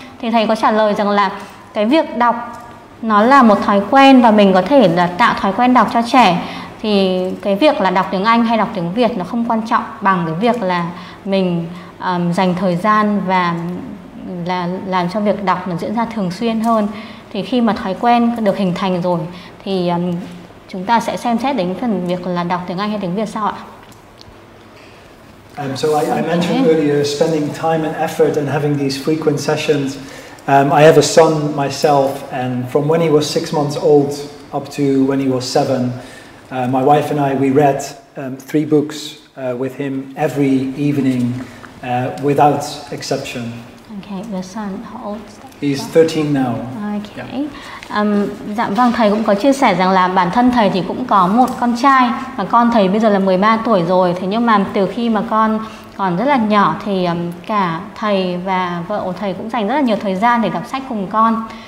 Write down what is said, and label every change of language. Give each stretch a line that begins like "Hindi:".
Vietnamese: Thì thầy có trả lời rằng là cái việc đọc nó là một thói quen và mình có thể là tạo thói quen đọc cho trẻ, thì cái việc là đọc tiếng Anh hay đọc tiếng Việt nó không quan trọng bằng cái việc là mình dành thời gian và là làm cho việc đọc nó diễn ra thường xuyên hơn. Thì khi mà thói quen được hình thành rồi thì chúng ta sẽ xem xét đến phần việc là đọc tiếng Anh hay tiếng Việt sau ạ.
English: So I mentioned earlier spending time and effort and having these frequent sessions. I have a son myself, and from when he was 6 months old up to when he was 7, my wife and I, we read 3 books with him every evening without exception. Okay, your son, how old is that? He's 13 now. Okay. Yeah.
Vietnamese: Dạ vâng, thầy cũng có chia sẻ rằng là bản thân thầy thì cũng có một con trai và con thầy bây giờ là 13 tuổi rồi. Thế nhưng mà từ khi mà con còn rất là nhỏ thì cả thầy và vợ của thầy cũng dành rất là nhiều thời gian để đọc sách cùng con.